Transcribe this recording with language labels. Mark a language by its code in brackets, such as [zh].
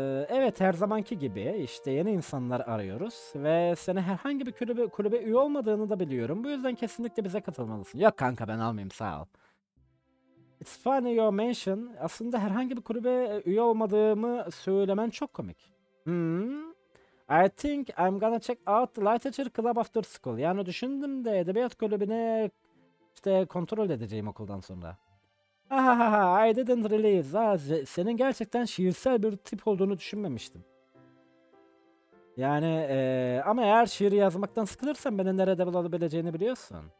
[tr] Evet, her zamanki gibi işte yeni insanlar arıyoruz. Ve seni herhangi bir kulübe üye olmadığını da biliyorum. Bu yüzden kesinlikle bize katılmalısın. Yok kanka, ben almayayım, sağ ol. [en] It's funny you mention. [tr] Aslında herhangi bir kulübe üye olmadığımı söylemen çok komik. [en] I think I'm gonna check out the literature club after school. [tr] Yani düşündüm de edebiyat kulübüne işte kontrol edeceğim okuldan sonra. [en] Ha, I didn't realize. [tr] Senin gerçekten şiirsel bir tip olduğunu düşünmemiştim. Yani ama eğer şiir yazmaktan sıkılırsan beni nerede bulabileceğini biliyorsun.